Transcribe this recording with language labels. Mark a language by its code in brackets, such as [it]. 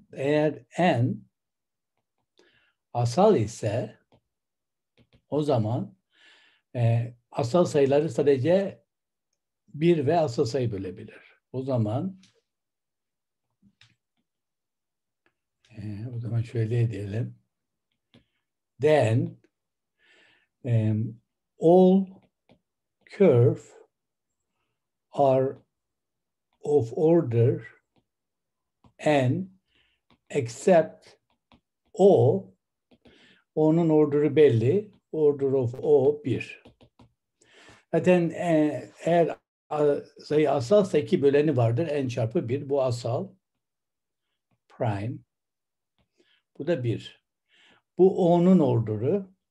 [tr] Eğer N asal ise o zaman asal sayıları sadece 1 ve asal sayı bölebilir. O zaman o zaman şöyle diyelim. [en] Then all curve are of order n except o. [tr] O'nun order'ı belli. Order of o 1. Zaten eğer sayı asalsa 2 böleni vardır. N çarpı 1. Bu asal. Prime. Bu da 1. Bu O'nun order'ı.